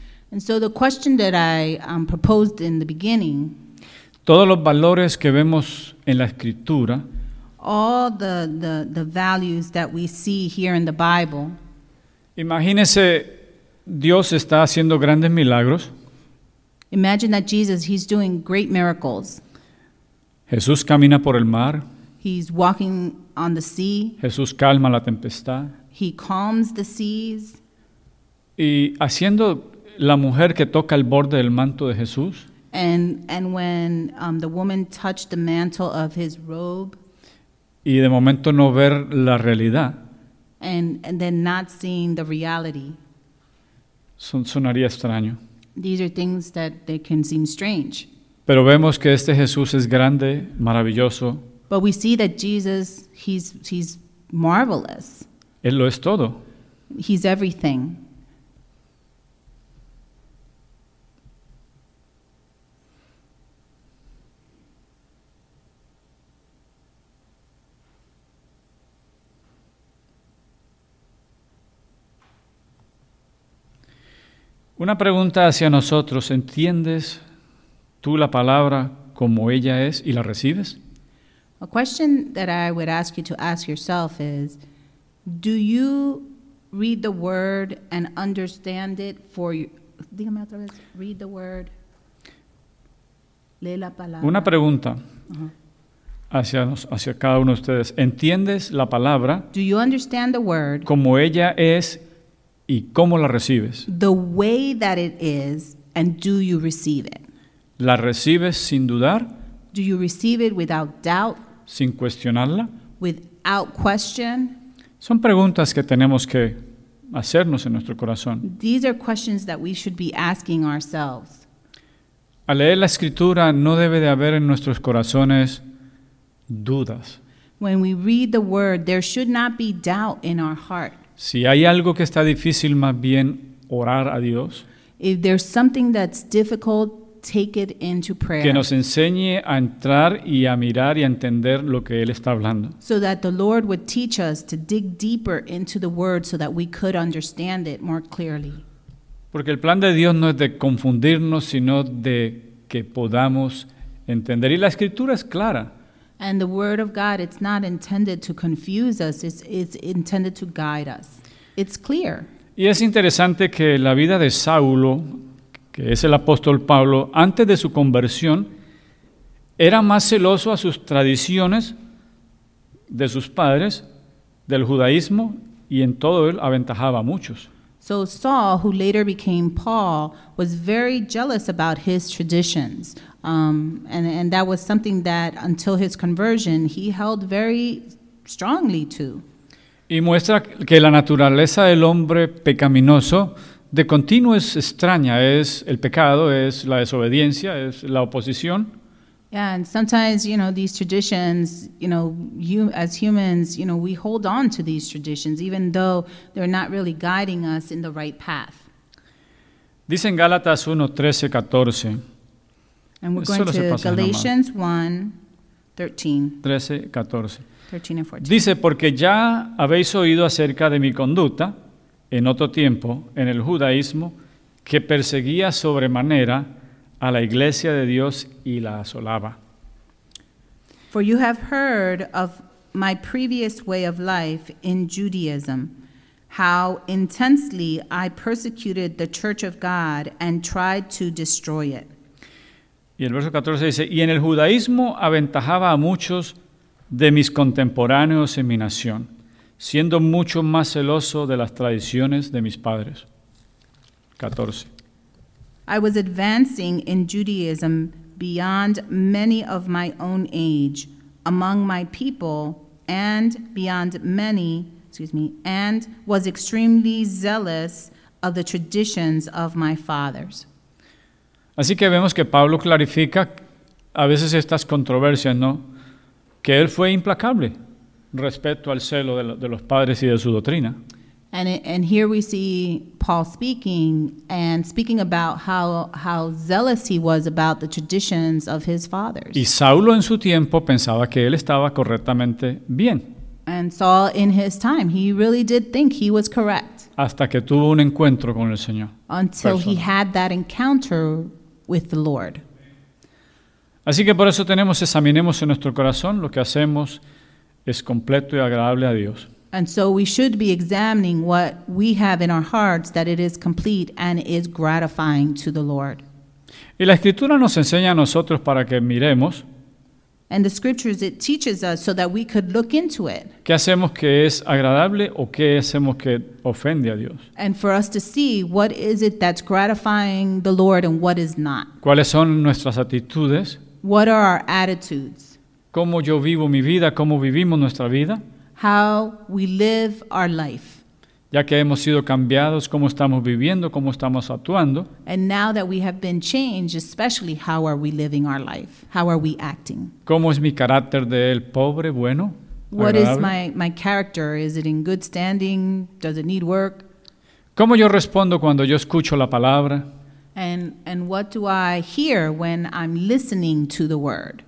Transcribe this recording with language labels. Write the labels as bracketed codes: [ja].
[en] And so the question that I proposed in the beginning. [es] Todos los valores que vemos en la Escritura. [en] All the values that we see here in the Bible. [es] Imagínese, Dios está haciendo grandes milagros. [en] Imagine that Jesus, he's doing great miracles. [es] Jesús camina por el mar. [en] He's walking on the sea. [es] Jesús calma la tempestad. [en] He calms the seas. [es] Y haciendo la mujer que toca el borde del manto de Jesús. [en] And when the woman touched the mantle of his robe. [es] Y de momento no ver la realidad. [en] And then not seeing the reality. [es] Sonaría extraño. [en] These are things that they can seem strange. [es] Pero vemos que este Jesús es grande, maravilloso. [en] But we see that Jesus, he's marvelous. [es] Él lo es todo. [en] He's everything. [es] Una pregunta hacia nosotros, ¿entiendes tú la palabra como ella es y la recibes? [en] A question that I would ask you to ask yourself is, do you read the word and understand it for you? [es] Dígame otra vez, [en] read the word, [es] lee la palabra. Una pregunta hacia cada uno de ustedes, ¿entiendes la palabra? [en] Do you understand the word? [es] Como ella es ¿y cómo la recibes? [en] The way that it is, and do you receive it? [es] ¿La recibes sin dudar? [en] Do you receive it without doubt? [es] ¿Sin cuestionarla? [en] Without question? [es] Son preguntas que tenemos que hacernos en nuestro corazón. [en] These are questions that we should be asking ourselves. [es] Al leer la Escritura, no debe de haber en nuestros corazones dudas. [en] When we read the Word, there should not be doubt in our heart. [es] Si hay algo que está difícil, más bien orar a Dios. [en] If there's something that's difficult, take it into prayer. [es] Que nos enseñe a entrar y a mirar y a entender lo que Él está hablando. [en] So that the Lord would teach us to dig deeper into the Word so that we could understand it more clearly. [es] Porque el plan de Dios no es de confundirnos, sino de que podamos entender. Y la Escritura es clara. [en] And the word of God, it's not intended to confuse us, it's intended to guide us. It's clear. [es] Y es interesante que la vida de Saulo, que es el apóstol Pablo, antes de su conversión, era más celoso a sus tradiciones de sus padres, del judaísmo, y en todo él aventajaba a muchos. [en] So Saul, who later became Paul, was very jealous about his traditions. And that was something that, until his conversion, he held very strongly to. [es] Y muestra que la naturaleza del hombre pecaminoso de continuo es extraña. Es el pecado, es la desobediencia, es la oposición. [en] Yeah, and sometimes, you know, these traditions, you know, you as humans, you know, we hold on to these traditions, even though they're not really guiding us in the right path. [es] Dicen Gálatas 1:13-14. [en] And we're going to Galatians 1:13-14. [es] Dice, porque ya habéis oído acerca de mi conducta en otro tiempo, en el judaísmo, que perseguía sobremanera a la iglesia de Dios y la asolaba. [en] For you have heard of my previous way of life in Judaism, how intensely I persecuted the church of God and tried to destroy it. [es] Y el verso 14 dice, y en el judaísmo aventajaba a muchos de mis contemporáneos en mi nación, siendo mucho más celoso de las tradiciones de mis padres. [en] 14. I was advancing in Judaism beyond many of my own age, among my people, and beyond many, and was extremely zealous of the traditions of my fathers. [es] Así que vemos que Pablo clarifica a veces estas controversias, ¿no? Que él fue implacable respecto al celo de los padres y de su doctrina. [en] And here we see Paul speaking about how zealous he was about the traditions of his fathers. [es] Y Saulo en su tiempo pensaba que él estaba correctamente bien. [en] And Saul in his time, he really did think he was correct. [es] Hasta que tuvo un encuentro con el Señor. [en] Until he had that encounter with the Lord. [es] Así que por eso tenemos, examinemos en nuestro corazón lo que hacemos es completo y agradable a Dios. [en] And so we should be examining what we have in our hearts that it is complete and is gratifying to the Lord. [es] Y la Escritura nos enseña a nosotros para que miremos. [en] And the scriptures, it teaches us so that we could look into it. [es] ¿Qué hacemos que es agradable o qué hacemos que ofende a Dios? [en] And for us to see what is it that's gratifying the Lord and what is not. [es] ¿Cuáles son nuestras actitudes? [en] What are our attitudes? [es] ¿Cómo yo vivo mi vida? ¿Cómo vivimos nuestra vida? [en] How we live our life. [es] Ya que hemos sido cambiados, cómo estamos viviendo, cómo estamos actuando. [en] And now that we have been changed, especially how are we living our life? How are we acting? [es] ¿Cómo es mi carácter de el pobre, bueno, agradable? [en] What is my character? Is it in good standing? Does it need work? [es] ¿Cómo yo respondo cuando yo escucho la palabra? [en] And what do I hear when I'm listening to the word?